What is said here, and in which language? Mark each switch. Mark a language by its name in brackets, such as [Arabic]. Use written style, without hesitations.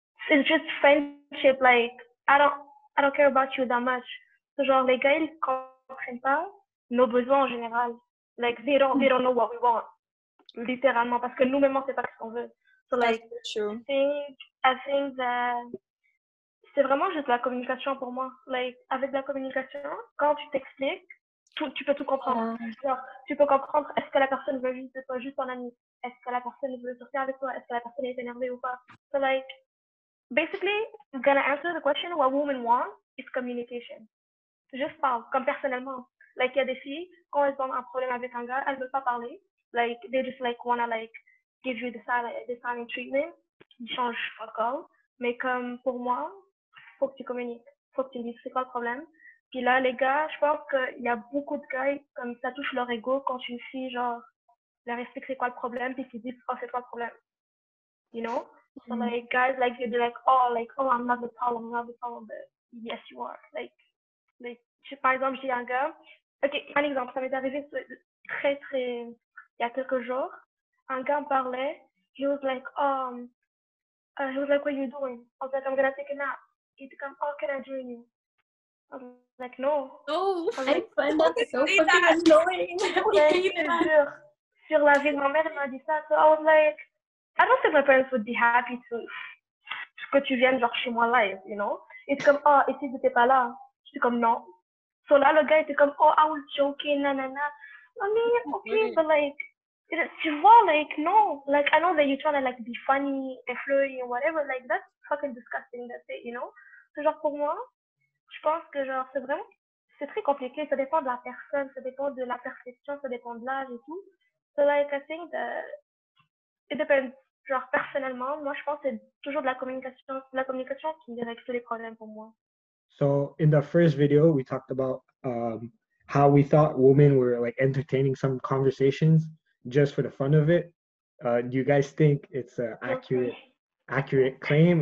[English] It's just friendship, like, I don't care about you that much. [French] So, genre, les gars, ils comprennent pas nos besoins en général. [English] Like, they don't know what we want. [French] Littéralement, parce que nous-mêmes, on sait pas ce qu'on veut. [English] So, like, I think that... [French] C'est vraiment juste la communication pour moi. Like, avec la communication, quand tu t'expliques, tu peux tout comprendre. Genre, tu peux comprendre est-ce que la personne veut juste de toi, juste en ami. Est-ce que la personne veut sortir avec toi. Est-ce que la personne est énervée ou pas. [English] So, like, basically, gonna answer the question, what women want is communication. [French] Juste parle, comme personnellement. Like, il y a des filles, quand elles ont un problème avec un gars, elles veulent pas parler. [English] Like, they just, like, wanna, like, give you the silent treatment. [French] Ils changent pas encore. Mais comme, pour moi, faut que tu communiques. Faut que tu me dises c'est quoi le problème. Puis là, les gars, je pense qu'il y a beaucoup de gars, comme ça touche leur ego quand une fille, genre, leur explique c'est quoi le problème, puis qu'ils disent, oh, c'est quoi le problème. [English] You know? Mm-hmm. So, like, guys, like, they'd be like, oh, I'm not the problem, but yes, you are. [French] Like, par exemple, j'ai un gars, ok, un exemple, ça m'est arrivé très, très, il y a quelques jours, un gars me parlait. [English] He was like, he was like, what are you doing? I was like, I'm gonna take a nap. He's like, oh, can I join you? I was like, no. No. I find that so fucking annoying. I was like, I don't think my parents would be happy to [French] que tu viennes genre chez moi [English] live, you know? [French] It's comme, oh, et si tu n'étais pas là? Je suis comme, non. So là, le gars était comme, oh, [English] I was joking, [French] nanana. [English] I mean, okay, but like, [French] tu vois, [English] like, no. Like, I know that you're trying to, like, be funny, effleurie, or whatever. Like, that's fucking disgusting, that's it, you know? [French] So, genre, pour moi, je pense que, genre, c'est vraiment, c'est très compliqué. Ça dépend de la personne, ça dépend de la perception, ça dépend de l'âge et tout. [English] So, like, I think that it depends. [French] Genre, personnellement, moi, je pense que c'est toujours de la communication qui règle tous les problèmes pour moi. [English] So, in the first video, we talked about how we thought women were, like, entertaining some conversations just for the fun of it. Do you guys think it's an accurate claim?